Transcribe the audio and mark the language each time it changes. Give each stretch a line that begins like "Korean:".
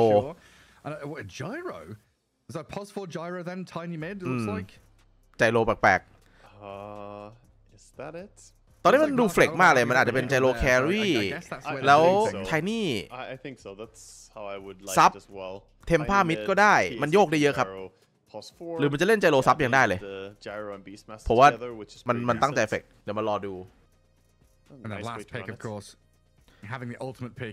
English: Gyro is that pause for Gyro then tiny mid looks like
Thai: ไจโร่แปลก
English: ๆ is that it
Thai: ตอนนี้มันดูเฟล็กมากเลยมันอาจจะเป็นไจโร่แครี่แล้วไทนี่
English: I think so that's how I would like
Thai: ซับเทมพ่ามิดก็ได้มันโยกได้เยอะครับหรือมันจะเล่นไจโร่ซับยังได้เลยเพราะว่ามันตั้งแต่เฟล็กเดี๋ยวมารอดู
English: And the last pick, of course, having the ultimate pick.